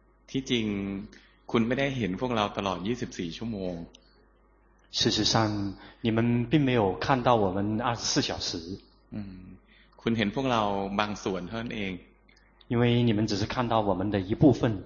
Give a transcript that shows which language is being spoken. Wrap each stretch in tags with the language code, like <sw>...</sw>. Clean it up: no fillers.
<th>ที่จริงคุณไม่ได้เห็นพวกเราตลอด24ชั่วโมง</th> <zh>事实上你们并没有看到我们24小时</zh> <th>คุณเห็นพวกเราบางส่วนเท่านั้นเอง</th> <zh>因为你们只是看到我们的一部分</zh>